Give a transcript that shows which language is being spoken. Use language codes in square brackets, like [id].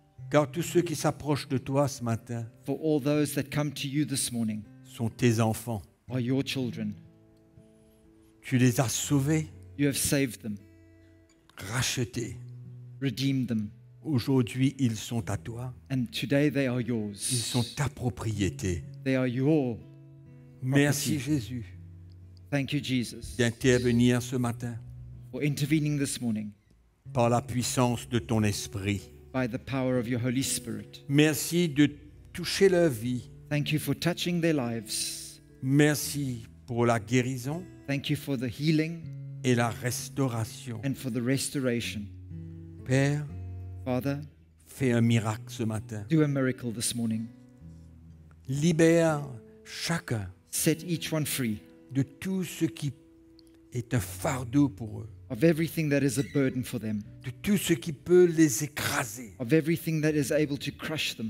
[fr] Car tous ceux qui s'approchent de toi ce matin, [en] for all those that come to you this morning, [fr] sont tes enfants. [en] Are your children. [fr] Tu les as sauvés. [en] You have saved them. [fr] Rachetés. [en] Redeemed them. [fr] Aujourd'hui, ils sont à toi. [en] And today they are yours. [fr] Ils sont ta propriété. [en] They are your. [fr] Merci Jésus. [en] Thank you Jesus. [fr] D'intervenir ce matin. [en] Or intervening this morning, [fr] par la puissance de ton esprit, [en] by the power of your Holy Spirit. [fr] Merci de toucher leur vie. [en] Thank you for touching their lives. [fr] Merci pour la guérison. [en] Thank you for the healing. [fr] Et la restauration. [en] And for the restoration. [fr] Père, [en] Father, [fr] fais un miracle ce matin. [en] Do a miracle this morning. [fr] Libère chacun. [en] Set each one free. [fr] De tout ce qui est un fardeau pour eux. [en] Of everything that is a burden for them. [fr] De tout ce qui peut les écraser. [en] Of everything that is able to crush them.